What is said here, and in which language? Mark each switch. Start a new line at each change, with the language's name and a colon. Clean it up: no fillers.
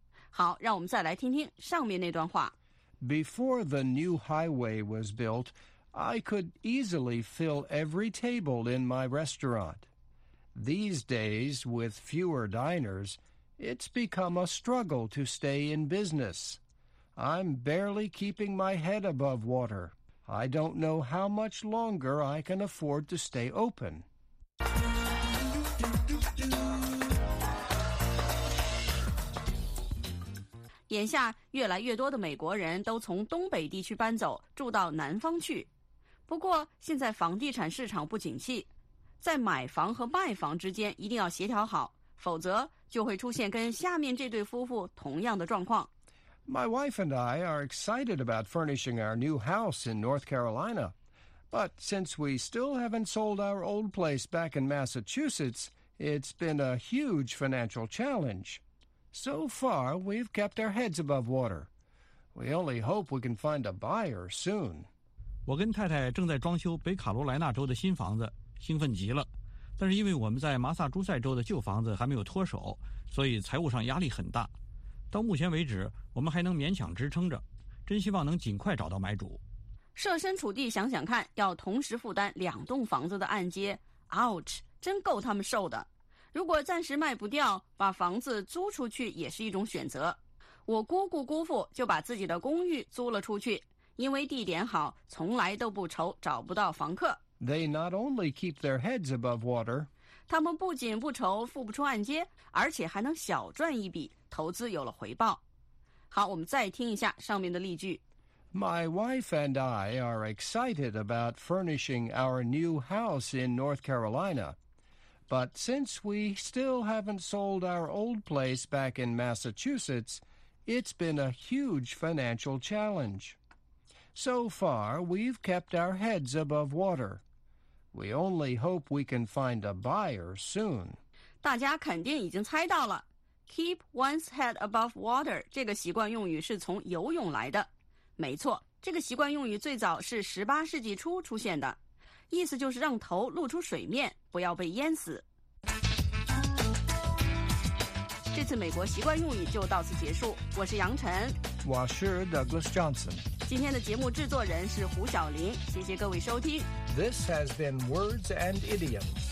Chinese: 好，让我们再来听听上面那段话。
English: Before the new highway was built, I could easily fill every table in my restaurant. These days, with fewer diners, it's become a struggle to stay in business. I'm barely keeping my head above water. I don't know how much longer I can afford to stay open.
Chinese: 眼下越来越多的美国人都从东北地区搬走，住到南方去。不过现在房地产市场不景气，在买房和卖房之间一定要协调好，否则就会出现跟下面这对夫妇同样的状况。
English: My wife and I are excited about furnishing our new house in North Carolina. But since we still haven't sold our old place back in Massachusetts, it's been a huge financial challenge. So far, we've kept our heads above water. We only hope we can find a buyer soon.
Chinese: 我跟太太正在装修北卡罗莱纳州的新房子，兴奋极了。但是因为我们在马萨诸塞州的旧房子还没有脱手，所以财务上压力很大。到目前为止，我们还能勉强支撑着，真希望能尽快找到买主。设身处地想想看，要同时负担两栋房子的按揭 ，
English: ouch，
Chinese: 真够他们受的。如果暂时卖不掉，把房子租出去也是一种选择。我姑姑姑父就把自己的公寓租了出去，因为地点好，从来都不愁找不到房客。
English: They not only keep their heads above water.
Chinese: 他们不仅不愁付不出按揭，而且还能小赚一笔，投资有了回报。好，我们再听一下上面的例句。
English: My wife and I are excited about furnishing our new house in North Carolina. But since we still haven't sold our old place back in Massachusetts, it's been a huge financial challenge. So far, we've kept our heads above water. We only hope we can find a buyer soon.
Chinese: 大家肯定已经猜到了。
English: Keep one's head above water
Chinese: 这个习惯用语是从游泳来的。没错，这个习惯用语最早是18世纪初出现的，意思就是让头露出水面，不要被淹死。这次美国习惯用语就到此结束，我是杨晨，我是 Douglas Johnson。今天的节目制作人是胡晓林，谢谢各位收听。
English: This has been Words and Idioms.